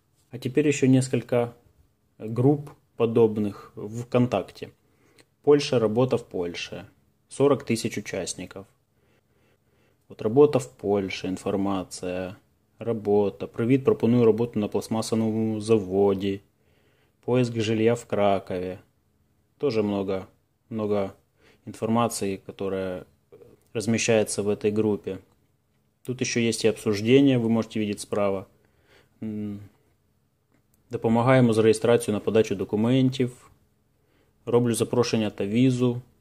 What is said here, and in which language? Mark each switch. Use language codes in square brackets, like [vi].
[ru] А теперь еще несколько групп подобных в ВКонтакте. Польша, работа в Польше. 40 тысяч участников. Вот работа в Польше, информация, работа. [uk] Привіт, пропоную роботу на пластмасовому заводі. [ru] Поиск жилья в Кракове. Тоже много, много информации, которая размещается в этой группе. Тут еще есть и обсуждение, вы можете видеть справа. [uk] Допомагаємо з реєстрацією на подачу документів. Роблю запрошення та візу.